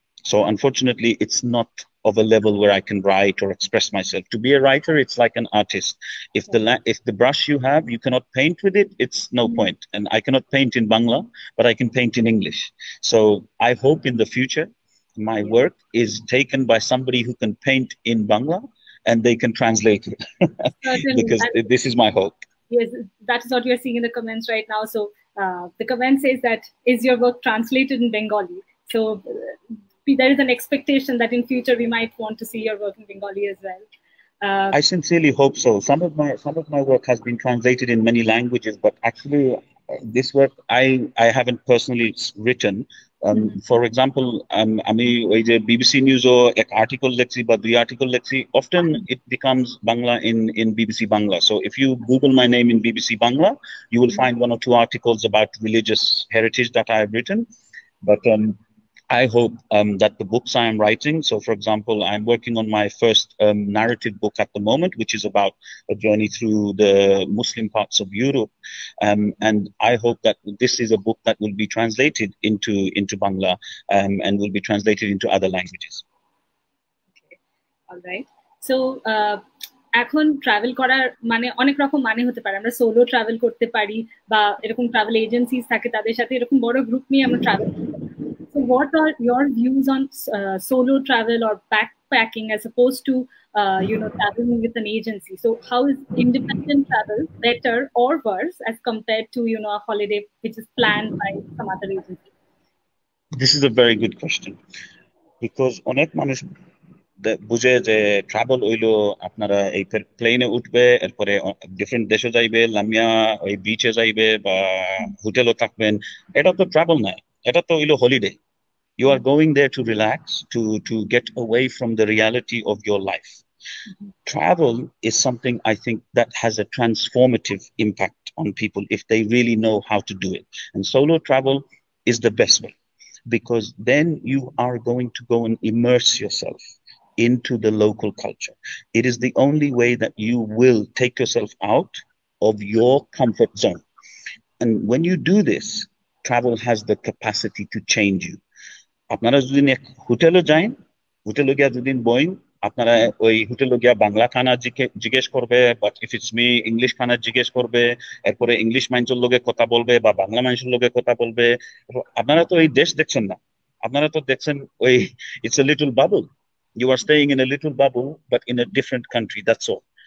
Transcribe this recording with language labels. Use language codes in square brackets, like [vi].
[en] So unfortunately it's not of a level where I can write or express myself. To be a writer it's like an artist, if the brush you have you can't paint with it, it's no point. And I can't paint in Bangla, but I can paint in English. So I hope in the future my work is taken by somebody who can paint in Bangla and they can translate it Certainly. because this is my hope. Yes, that is what we are seeing in the comments right now. So the comment says that is your work translated in Bengali? So there is an expectation that in future we might want to see your work in Bengali as well. I sincerely hope so. Some of my work has been translated in many languages, but actually this work I haven't personally written. For example, [bn] আমি ওই যে BBC news ও এক article লেখছি বা দুই article লেখছি, [en] Often it becomes Bangla in BBC Bangla. So if you Google my name in BBC Bangla, you will find one or two articles about religious heritage that I have written. But I hope that the books I am writing, so for example, I'm working on my first narrative book at the moment, which is about a journey through the Muslim parts of Europe. And I hope that this is a book that will be translated into Bangla, and will be translated into other languages. All right. [bn] So এখন travel করার মানে অনেক রকম মানে হতে পারে। আমরা solo travel করতে পারি বা এরকম ট্রাভেল এজেন্সিজ থাকে তাদের সাথে এরকম বড় গ্রুপ নিয়ে আমরা ট্রাভেল করতে পারি। [en] তো what are your views on solo travel or back packing as oppose to you know travelling with an agency? So how is independent travel better or worse as compare to you know a holiday which is plan by some other agency? This is a very good question, because [bn] অনেক মানুষ বুঝে যে travel হইলো আপনারা এই প্লেনে উঠবে, এরপরে ডিফারেন্ট দেশে যাইবে, লামিয়া ওই বিচে যাইবে বা হোটেলও থাকবেন। এটা তো ট্রাভেল নয়, এটা তো হইলো holiday. [en] You are going there to relax, to get away from the reality of your life. Travel is something I think that has a transformative impact on people if they really know how to do it. And solo travel is the best way, because then you are going to go and immerse yourself into the local culture. It is the only way that you will take yourself out of your comfort zone. And when you do this, travel has the capacity to change you. [bn] আপনারা যদি এক হোটেলে যাই, হোটেলে গিয়া যদি বইন, আপনারা ওই হোটেলে গিয়া বাংলা খানা জিজ্ঞেস করবে, [en] but if it's me [bn] English খানা জিজ্ঞেস করবে, এরপরে ইংলিশ মানুষের লোকে কথা বলবে বা বাংলা মানুষের লোকে কথা বলবে, আপনারা তো এই দেশ দেখছেন না, আপনারা তো দেখছেন ওই [en] It's a little bubble, you are staying in a little bubble but in a different country, that's all.